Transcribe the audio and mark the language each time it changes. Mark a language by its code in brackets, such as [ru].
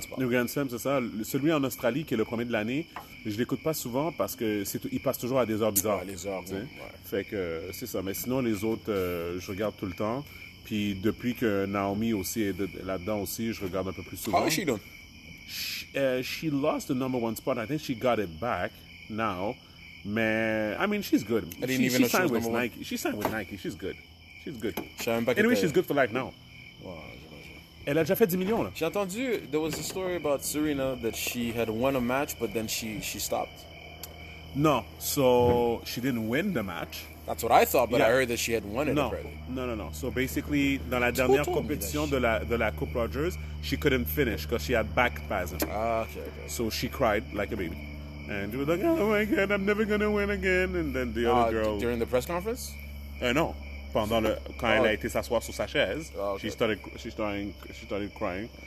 [fr] c'est pas. Les Grand Slams, c'est ça. Celui en Australie, qui est le premier de l'année, je l'écoute pas souvent parce qu'il passe toujours à des heures bizarres. Ah, les heures, oui. Ouais. Fait que c'est ça. Mais sinon, les autres, je regarde tout le temps. Puis depuis que Naomi aussi est là-dedans aussi, je regarde un peu plus souvent. [en] How is she doing? She lost the number one spot. I think she got it back now. Mais, I mean, she's good. She signed with Nike. She's good. She's good. Anyway, she's good for life now. Elle a déjà fait 10 millions, là. [fr] J'ai entendu, [en] there was a story about Serena that she had won a match, but then she stopped. No, so she didn't win the match. That's what I thought, but I heard that she had won it already. No, no, no. So basically, [fr] dans la dernière compétition de la Coupe Rogers, [en] she couldn't finish because she had back spasm. Ah, okay. So she cried like a baby. And she was like, oh my God, I'm never going to win again. And then the other girl... During the press conference? No. [fr] Pendant quand elle a été s'asseoir sur sa chaise, [en] she started crying.